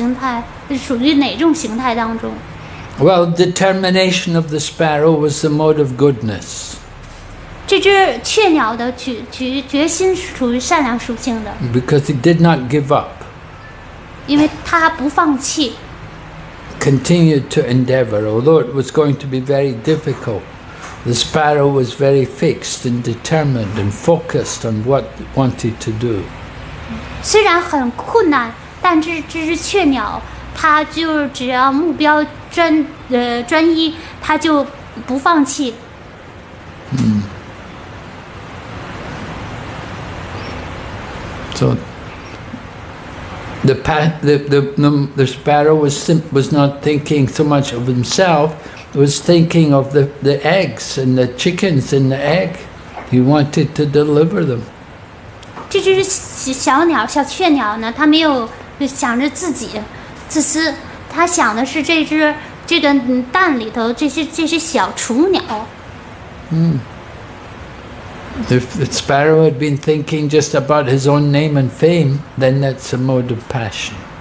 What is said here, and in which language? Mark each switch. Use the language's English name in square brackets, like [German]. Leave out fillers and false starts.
[Chinese] 这卡布问的问题就是刚才讲到这只小雀鸟，然后吸干大海，那么这小雀鸟到底是在善良形态，是属于哪种形态当中？ [English] Well, determination of the sparrow was the mode of goodness. [Chinese] 这只雀鸟的决心属于善良属性的。 [English] Because it did not give up. [Chinese] 因为它不放弃。 [English] Continued to endeavor, although it was going to be very difficult. The sparrow was very fixed and determined and focused on what it wanted to do. [Chinese] 虽然很困难，但这只雀鸟，它就只要目标专一，它就不放弃。 [English] So the sparrow was not thinking so much of himself, was thinking of the eggs and the chickens and the egg. He wanted to deliver them. [Chinese] 这只小鸟，小雀鸟呢？它没有想着自己，自私。它想的是这只蛋里头这些小雏鸟。 [English] If the sparrow had been thinking just about his own name and fame, then that's a mode of passion.